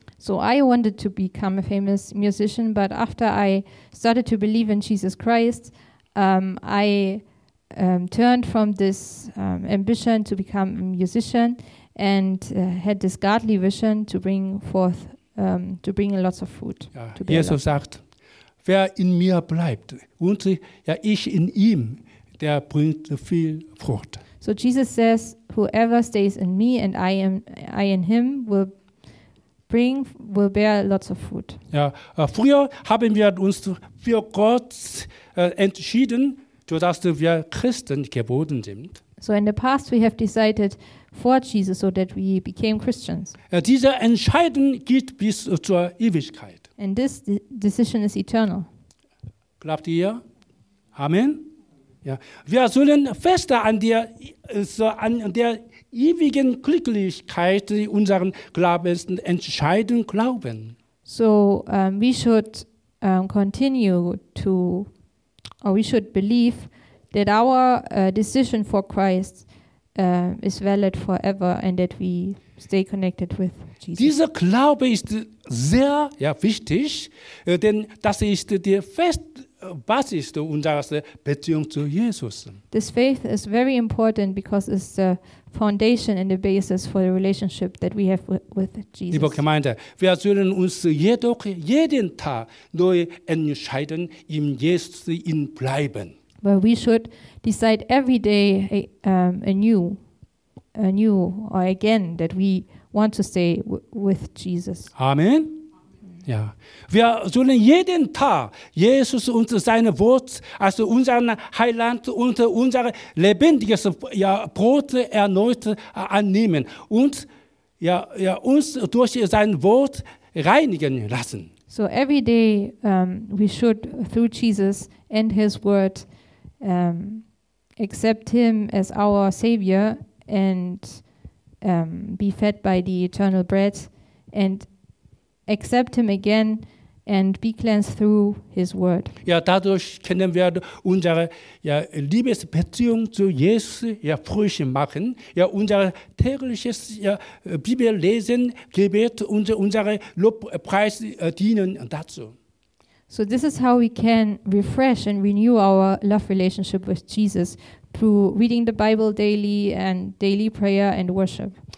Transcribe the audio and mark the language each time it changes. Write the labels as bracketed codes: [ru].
[en] So I wanted to become a famous musician, but after I started to believe in Jesus Christ, I turned from this ambition to become a musician and had this godly vision to bring forth, to bring lots of fruit. [de] Ja, Jesus sagt, wer in mir bleibt und ich in ihm, der bringt viel Frucht. [en] So Jesus says, whoever stays in me and I in him will bring will bear lots of fruit. [de] Ja, früher haben wir uns für Gott entschieden, sodass wir Christen geworden sind. [en] So in the past we have decided for Jesus so that we became Christians. [de] Diese Entscheidung geht bis zur Ewigkeit. [en] And this decision is eternal. [de] Glaubt ihr? Amen. Ja. Wir sollen fester an der ewigen Glücklichkeit unseren Glaubens entscheiden glauben. [en] So we should continue to or we should believe that our decision for Christ is valid forever and that we stay connected with Jesus. [de] Dieser Glaube ist sehr wichtig, denn das ist die Festbasis unserer Beziehung zu Jesus. [en] This faith is very important because it's the foundation and the basis for the relationship that we have with Jesus. [de] Liebe Gemeinde, wir sollen uns jedoch jeden Tag neu entscheiden, in Jesus in bleiben. [en] Well, we should decide every day anew or again that we want to stay with Jesus. Amen. Ja. [de] Wir sollen jeden Tag Jesus und seine Wort als unseren Heiland und unser lebendiges Brot erneut annehmen und uns durch sein Wort reinigen lassen. [en] So every day we should through Jesus and his word accept him as our savior and be fed by the eternal bread and accept him again and be cleansed through his word. [de] Ja, dadurch können wir unsere Liebesbeziehung zu Jesus frisch machen, unser tägliches Bibellesen, Gebet und unsere Lobpreis dienen dazu. [en] So this is how we can refresh and renew our love relationship with Jesus through reading the Bible daily and daily prayer and worship.